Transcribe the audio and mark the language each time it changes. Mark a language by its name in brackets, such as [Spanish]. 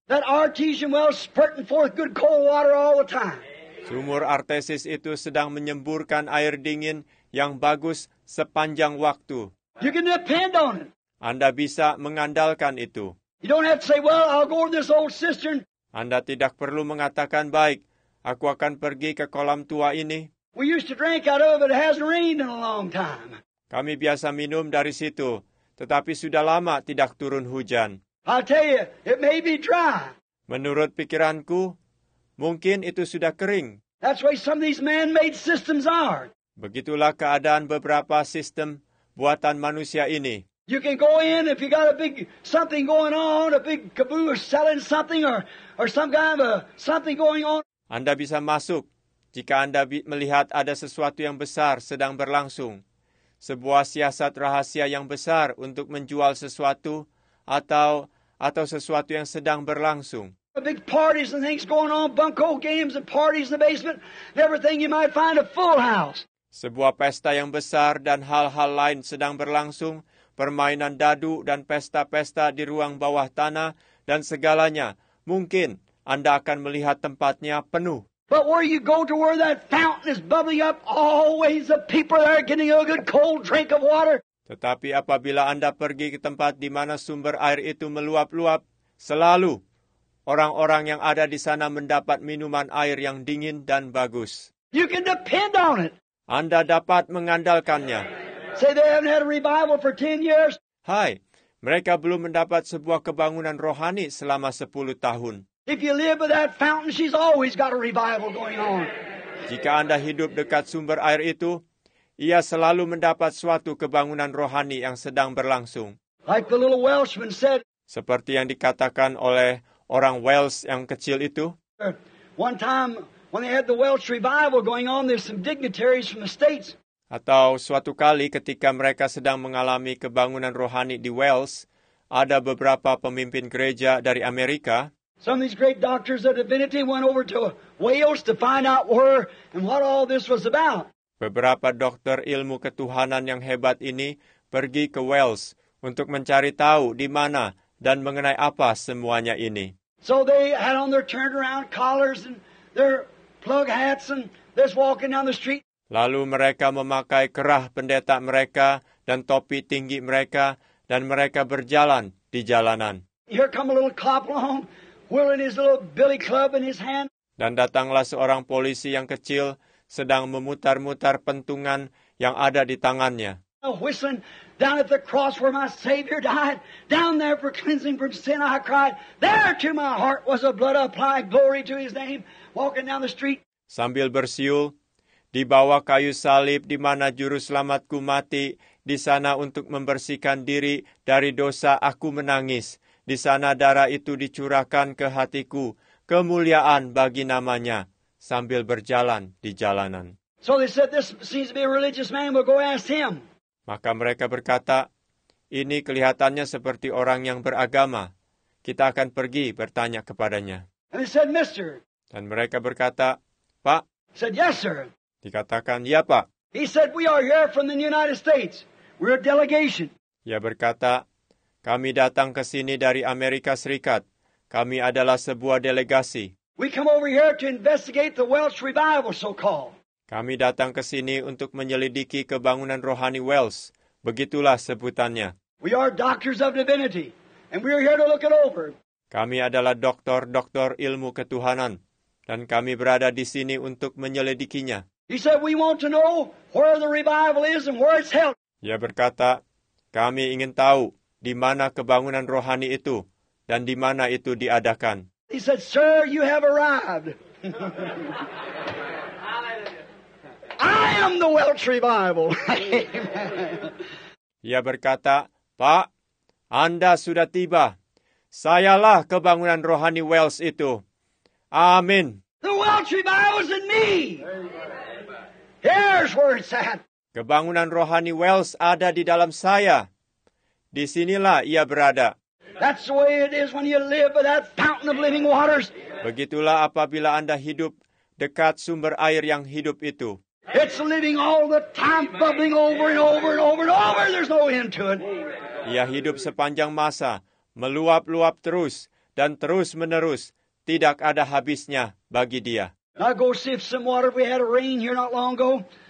[English] That artesian well spurting forth good cold water all the time. [Indonesian] Sumur artesis itu sedang menyemburkan air dingin yang bagus sepanjang waktu. [English] You can depend on it. [Indonesian] Anda bisa mengandalkan itu. [English] You don't have to say, well, I'll go to this old cistern. [Indonesian] Anda tidak perlu mengatakan, baik, aku akan pergi ke kolam tua ini. [English] We used to drink out of it, it hasn't rained in a long time. [Indonesian] Kami biasa minum dari situ, tetapi sudah lama tidak turun hujan. [English] I'll tell you, it may be dry. [Indonesian] Menurut pikiranku, mungkin itu sudah kering. [English] That's why some of these man-made systems are. [Indonesian] Begitulah keadaan beberapa sistem buatan manusia ini. [English] You can go in if you got a big something going on, a big caboose selling something or some kind of something going on. [Indonesian] Anda bisa masuk jika Anda melihat ada sesuatu yang besar sedang berlangsung. Sebuah siasat rahasia yang besar untuk menjual sesuatu atau sesuatu yang sedang berlangsung. [English] A big parties and things going on, bunko games and parties in the basement, and everything you might find a full house. [Indonesian] Sebuah pesta yang besar dan hal-hal lain sedang berlangsung, permainan dadu dan pesta-pesta di ruang bawah tanah dan segalanya. Mungkin Anda akan melihat tempatnya penuh. [English] But where you go to where that fountain is bubbling up, always the people there getting a good cold drink of water. [Indonesian] Tetapi apabila Anda pergi ke tempat di mana sumber air itu meluap-luap, selalu orang-orang yang ada di sana mendapat minuman air yang dingin dan bagus. [English] You can depend on it. [Indonesian] Anda dapat mengandalkannya. [English] Say they haven't had a revival for 10 years. [Indonesian] Hai, mereka belum mendapat sebuah kebangunan rohani selama 10 tahun. [English] If you live by that fountain, she's always got a revival going on. [Indonesian] Jika Anda hidup dekat sumber air itu, ia selalu mendapat suatu kebangunan rohani yang sedang berlangsung. [English] Like the little Welshman said. [Indonesian] Seperti yang dikatakan oleh orang Wales yang kecil itu. [English] One time when they had the Welsh revival going on, there's some dignitaries from the States. [Indonesian] Atau suatu kali ketika mereka sedang mengalami kebangunan rohani di Wales, ada beberapa pemimpin gereja dari Amerika. [English] Some of these great doctors of divinity went over to Wales to find out where and what all this was about. [Indonesian] Beberapa dokter ilmu ketuhanan yang hebat ini pergi ke Wales untuk mencari tahu di mana dan mengenai apa semuanya ini. [English] So they had on their turnaround collars and their plug hats and this walking down the street. [Indonesian] Lalu mereka memakai kerah pendeta mereka dan topi tinggi mereka dan mereka berjalan di jalanan. [English] Here come a little cop along, wheeling his little billy club in his hand. [Indonesian] Dan datanglah seorang polisi yang kecil sedang memutar-mutar pentungan yang ada di tangannya. [English] Whistling down at the cross where my Savior died, down there for cleansing from sin, I cried. There to my heart was a blood applied glory to His name. Walking down the street. [Indonesian] Sambil bersiul, di bawah kayu salib di mana juru selamatku mati, di sana untuk membersihkan diri dari dosa aku menangis. Di sana darah itu dicurahkan ke hatiku. Kemuliaan bagi namanya. Sambil berjalan di jalanan. [English] So they said, this seems to be a religious man. We'll go ask him. [Indonesian] Maka mereka berkata, ini kelihatannya seperti orang yang beragama. Kita akan pergi bertanya kepadanya. [English] And he said, Mister. [Indonesian] Dan mereka berkata, Pak. [English] He said, yes, sir. [Indonesian] Dikatakan, ya, Pak. [English] He said, we are here from the United States. We're a delegation. [Indonesian] Ia berkata, kami datang ke sini dari Amerika Serikat. Kami adalah sebuah delegasi. [English] We come over here to investigate the Welsh revival, so-called. [Indonesian] Kami datang ke sini untuk menyelidiki kebangunan rohani Wales, begitulah sebutannya. [English] We are doctors of divinity, and we are here to look it over. [Indonesian] Kami adalah dokter-dokter ilmu ketuhanan, dan kami berada di sini untuk menyelidikinya. [English] He said we want to know where the revival is and where it's held. [Indonesian] Ia berkata, kami ingin tahu di mana kebangunan rohani itu dan di mana itu diadakan. [English] He said, "Sir, you have arrived." I am the Welch Revival. [Indonesian] Ia berkata, "Pak, Anda sudah tiba. Sayalah kebangunan rohani Welch itu." Amin. [English] The Welch Revival is in me. Here's where it's at. [Indonesian] Kebangunan rohani Welch ada di dalam saya. Di sinilah ia berada. [English] That's the way it is when you live by that fountain of living waters. [Indonesian] Begitulah apabila Anda hidup dekat sumber air yang hidup itu. [English] It's living all the time, bubbling over and over and over and over. There's no end to it. [Indonesian] Ia hidup sepanjang masa, meluap-luap terus dan terus menerus, tidak ada habisnya bagi dia. [English] Now go sift some water. We had a rain here not long ago.